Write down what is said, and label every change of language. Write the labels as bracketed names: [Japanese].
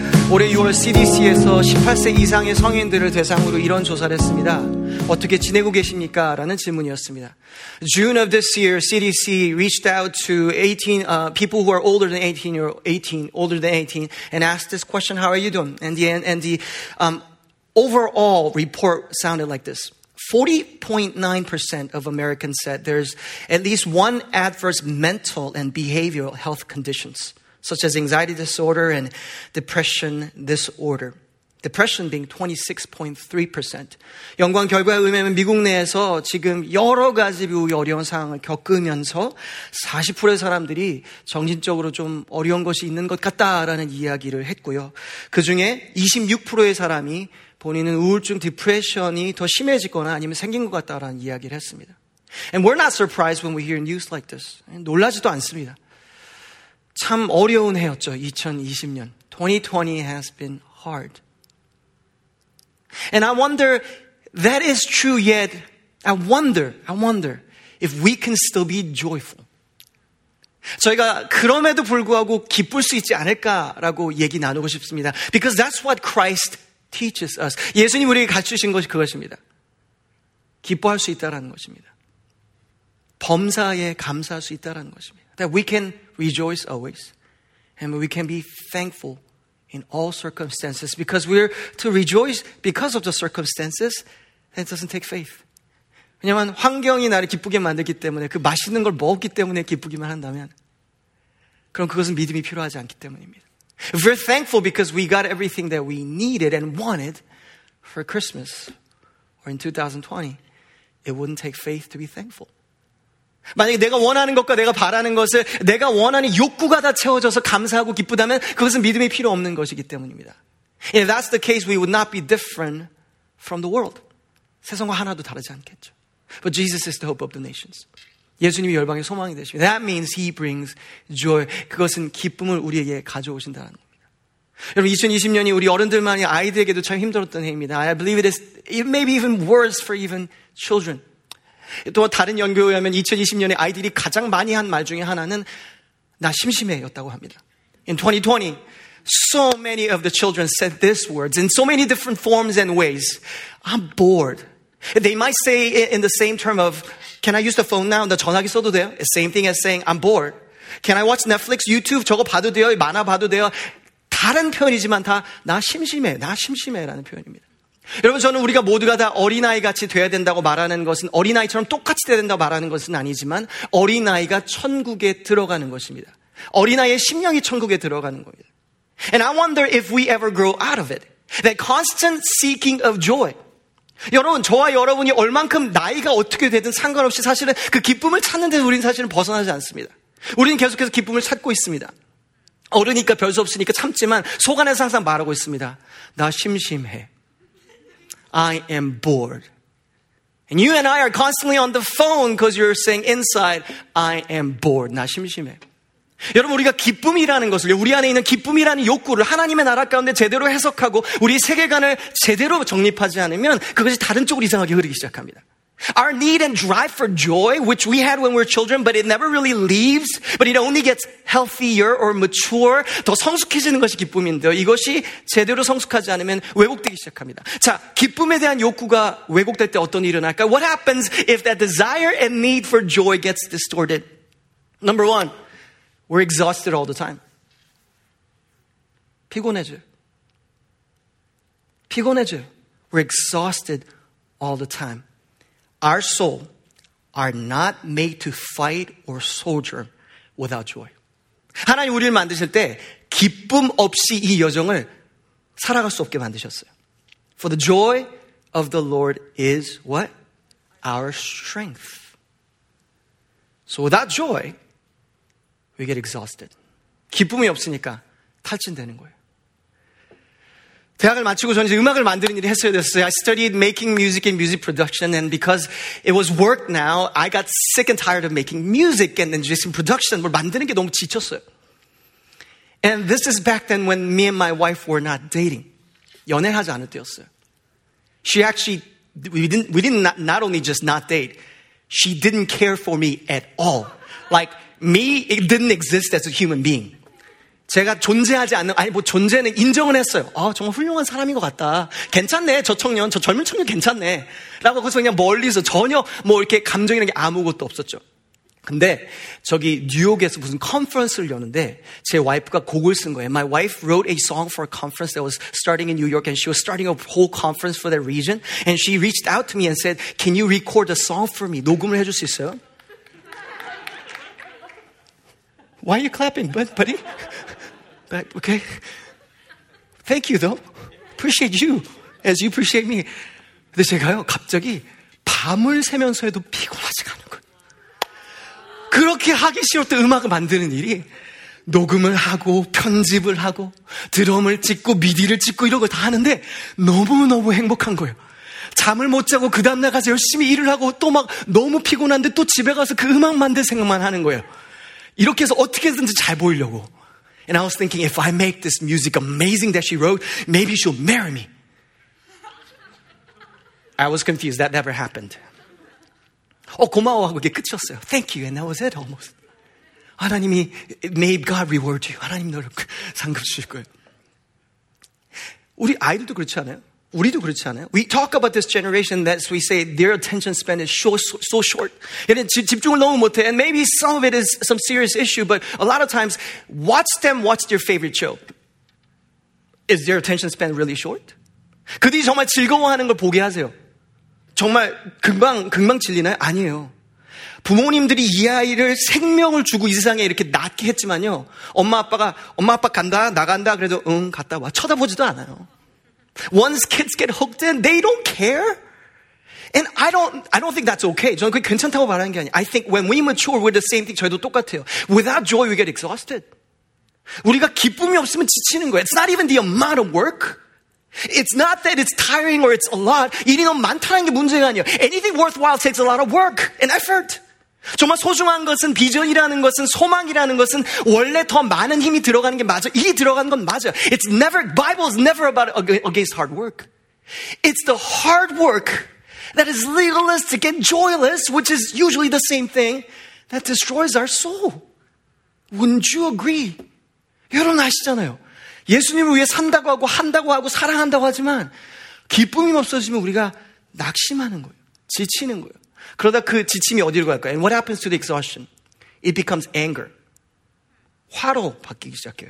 [Korean] 18세 이상의 성인들을 대상으로 이런 조사를 했습니다. 어떻게 지내고 계십니까? 라는 질문이었습니다. [English] June of this year, CDC reached out to 18 people who are older than 18 or 18, older than 18, and asked this question, how are you doing? And the overall report sounded like this. 40.9% of Americans said there's at least one adverse mental and behavioral health conditions, such as anxiety disorder and depression disorder. Depression being 26.3%. [Korean] 연관 결과에 의하면 미국 내에서 지금 여러 가지 어려운 상황을 겪으면서 40%의 사람들이 정신적으로 좀 어려운 것이 있는 것 같다라는 이야기를 했고요. 그 중에 26%의 사람이 본인은 우울증, 디프레션이 더 심해지거나 아니면 생긴 것 같다라는 이야기를 했습니다. [English] And we're not surprised when we hear news like this. [Korean] 놀라지도 않습니다. 참 어려운 해였죠, 2020년. [English] 2020 has been hard. And I wonder, that is true yet, I wonder if we can still be joyful. [Korean] 저희가 그럼에도 불구하고 기쁠 수 있지 않을까라고 얘기 나누고 싶습니다. [English] Because that's what Christ teaches us. [Korean] 예수님 우리에게 가르치신 것이 그것입니다. 기뻐할 수 있다라는 것입니다. 범사에 감사할 수 있다라는 것입니다. [English] That we can rejoice always and we can be thankful in all circumstances because we're to rejoice because of the circumstances and it doesn't take faith. [Korean] 왜냐하면 환경이 나를 기쁘게 만들기 때문에 그 맛있는 걸 먹기 때문에 기쁘기만 한다면 그럼 그것은 믿음이 필요하지 않기 때문입니다. [English] If we're thankful because we got everything that we needed and wanted for Christmas or in 2020, it wouldn't take faith to be thankful. [Korean] 만약에 내가 원하는 것과 내가 바라는 것을 내가 원하는 욕구가 다 채워져서 감사하고 기쁘다면 그것은 믿음이 필요 없는 것이기 때문입니다. [English] If that's the case, we would not be different from the world. [Korean] 세상과 하나도 다르지 않겠죠. [English] But Jesus is the hope of the nations. [Korean] 예수님이 열방의 소망이 되십니다. [English] That means he brings joy. [Korean] 그것은 기쁨을 우리에게 가져오신다는 겁니다. 여러분 2020년이 우리 어른들만이 아이들에게도 참 힘들었던 해입니다. [English] I believe it may be even worse for even children. [Korean] 또 다른 연구에 의하면 2020년에 아이들이 가장 많이 한 말 중에 하나는 나 심심해였다고 합니다. [English] In 2020, so many of the children said these words in so many different forms and ways. I'm bored. They might say it in the same term of Can I use the phone now? [Korean] 나 전화기 써도 돼요? [English] Same thing as saying, I'm bored. Can I watch Netflix, YouTube? [Korean] 저거 봐도 돼요? 만화 봐도 돼요? 다른 표현이지만 다 나 심심해 라는 표현입니다. 여러분 저는 우리가 모두가 다 어린아이같이 돼야 된다고 말하는 것은 어린아이처럼 똑같이 돼야 된다고 말하는 것은 아니지만 어린아이가 천국에 들어가는 것입니다. 어린아이의 심령이 천국에 들어가는 겁니다. [English] And I wonder if we ever grow out of it. That constant seeking of joy. [Korean] 여러분 저와 여러분이 얼만큼 나이가 어떻게 되든 상관없이 사실은 그 기쁨을 찾는 데 우리는 사실은 벗어나지 않습니다. 우리는 계속해서 기쁨을 찾고 있습니다. 어르니까 별 수 없으니까 참지만 속 안에서 항상 말하고 있습니다. 나 심심해. [English] I am bored. And you and I are constantly on the phone because you're saying inside, I am bored. [Korean] 나 심심해. 여러분 우리가 기쁨이라는 것을 우리 안에 있는 기쁨이라는 욕구를 하나님의 나라 가운데 제대로 해석하고 우리 세계관을 제대로 정립하지 않으면 그것이 다른 쪽으로 이상하게 흐르기 시작합니다. [English] Our need and drive for joy which we had when we were children but it never really leaves but it only gets healthier or mature [Korean] 더 성숙해지는 것이 기쁨인데요. 이것이 제대로 성숙하지 않으면 왜곡되기 시작합니다. 자, 기쁨에 대한 욕구가 왜곡될 때 어떤 일이 일어날까? [English] What happens if that desire and need for joy gets distorted? Number one. We're exhausted all the time. [Korean] 피곤해져요. [English] We're exhausted all the time. Our soul are not made to fight or soldier without joy. [Korean] 하나님 우리를 만드실 때 기쁨 없이 이 여정을 살아갈 수 없게 만드셨어요. [English] For the joy of the Lord is what? Our strength. So without joy, we get exhausted. [Korean] 기쁨이 없으니까 탈진되는 거예요. 대학을 마치고 저는 이제 음악을 만드는 일을 했어야 됐어요. [English] I studied making music and music production and because it was work now, I got sick and tired of making music and then just production. [Korean] 뭘 만드는 게 너무 지쳤어요. [English] And this is back then when me and my wife were not dating. [Korean] 연애하지 않을 때였어요. [English] She actually, we didn't not only just not date, she didn't care for me at all. Like, me, it didn't exist as a human being. [Korean] 제가 존재하지 않는, 아니 뭐 존재는 인정은 했어요. 아, 정말 훌륭한 사람인 것 같다. 괜찮네, 저 청년, 저 젊은 청년 괜찮네. 라고 그래서 그냥 멀리서 전혀 뭐 이렇게 감정이라는 게 아무것도 없었죠. 근데 저기 뉴욕에서 무슨 컨퍼런스를 여는데 제 와이프가 곡을 쓴 거예요. [English] My wife wrote a song for a conference that was starting in New York and she was starting a whole conference for that region. And she reached out to me and said, can you record a song for me? [Korean] 녹음을 해줄 수 있어요? [English] Why are you clapping, buddy? But, okay. Thank you, though. Appreciate you as you appreciate me. [Korean] 근데 제가요, 갑자기 밤을 새면서 해도 피곤하지가 않은 거예요. 그렇게 하기 싫을 때 음악을 만드는 일이 녹음을 하고 편집을 하고 드럼을 찍고 미디를 찍고 이런 걸 다 하는데 너무너무 행복한 거예요. 잠을 못 자고 그 다음날 가서 열심히 일을 하고 또 막 너무 피곤한데 또 집에 가서 그 음악 만들 생각만 하는 거예요. 이렇게 해서 어떻게든지 잘 보이려고. [English] And I was thinking, if I make this music amazing that she wrote, maybe she'll marry me. I was confused. That never happened. [Korean] 어, 고마워 하고 이게 끝이었어요. [English] Thank you. And that was it almost. [Korean] 하나님이, [English] may God reward you. [Korean] 하나님 너를 상급 주실 거예요. 우리 아이들도 그렇지 않아요? 우리도 그렇지 않아요? [English] We talk about this generation that we say their attention span is so short. [Korean] 얘는 집중을 너무 못해. [English] And maybe some of it is some serious issue, but a lot of times, watch them watch their favorite show. Is their attention span really short? [Korean] 그들이 정말 즐거워하는 걸 보게 하세요. 정말 금방 질리나요? 아니에요. 부모님들이 이 아이를 생명을 주고 이 세상에 이렇게 낳게 했지만요. 엄마 아빠 간다, 나간다, 그래도 응, 갔다 와. 쳐다보지도 않아요. [English] Once kids get hooked in, they don't care. And I don't think that's okay. [Korean] 저는 그게 괜찮다고 말하는 게 아니에요. [English] I think when we mature, we're the same thing. [Korean] 저희도 똑같아요. [English] Without joy, we get exhausted. [Korean] 우리가 기쁨이 없으면 지치는 거예요. [English] It's not even the amount of work. It's not that it's tiring or it's a lot. [Korean] 일이 너무 많다는 게 문제가 아니에요. Anything worthwhile takes a lot of work and effort. 정말 소중한 것은 비전이라는 것은 소망이라는 것은 원래 더 많은 힘이 들어가는 게 맞아. 일이 들어가는 건 맞아. [English] It's never, Bible is never about against hard work. It's the hard work that is legalistic and joyless, which is usually the same thing that destroys our soul. Wouldn't you agree? [Korean] 여러분 아시잖아요. 예수님을 위해 산다고 하고 한다고 하고 사랑한다고 하지만 기쁨이 없어지면 우리가 낙심하는 거예요. 지치는 거예요. 그러다 그 지침이 어디로 갈까요? [English] And what happens to the exhaustion? It becomes anger. [Korean] 화로 바뀌기 시작해요.